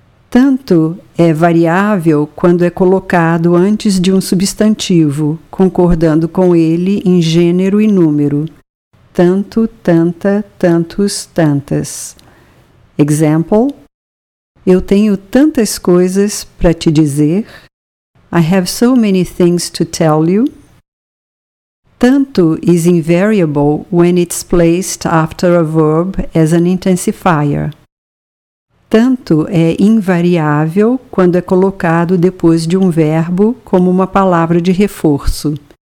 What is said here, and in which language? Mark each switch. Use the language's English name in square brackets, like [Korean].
[Portuguese] Tanto é variável quando é colocado antes de um substantivo, concordando com ele em gênero e número. Tanto, tanta, tantos, tantas. Example: eu tenho tantas coisas para te dizer. [English] I have so many things to tell you. Tanto is invariable when it's placed after a verb as an intensifier. [Portuguese] Tanto é invariável quando é colocado depois de um verbo como uma palavra de reforço.